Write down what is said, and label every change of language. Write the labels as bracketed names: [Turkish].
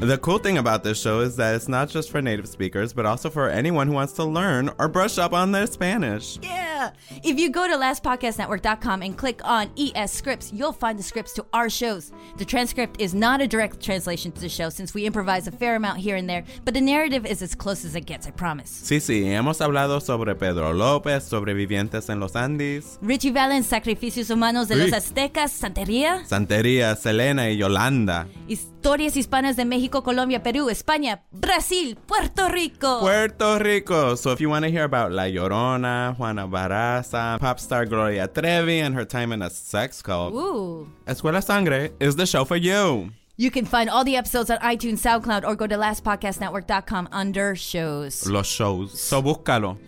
[English] The cool thing about this show is that it's not just for native speakers, but also for anyone who wants to learn or brush up on their Spanish. Yeah. If you go to lastpodcastnetwork.com and click on ES Scripts, you'll find the scripts to our shows. The transcript is not a direct translation to the show since we improvise a fair amount here and there, but the narrative is as close as it gets, I promise. [Spanish] Sí, sí. Hemos hablado sobre Pedro López, sobreviviente en los Andes. Richie Valens, sacrificios humanos de los Aztecas, Santería. Santería, Selena y Yolanda. Historias hispanas de México, Colombia, Perú, España, Brasil, Puerto Rico. Puerto Rico. [English] So if you want to hear about La Llorona, Juana Barraza, pop star Gloria Trevi, and her time in a sex cult, ooh, Escuela Sangre is the show for you. You can find all the episodes on iTunes, SoundCloud, or go to lastpodcastnetwork.com under shows. [Spanish] Los shows. So búscalo.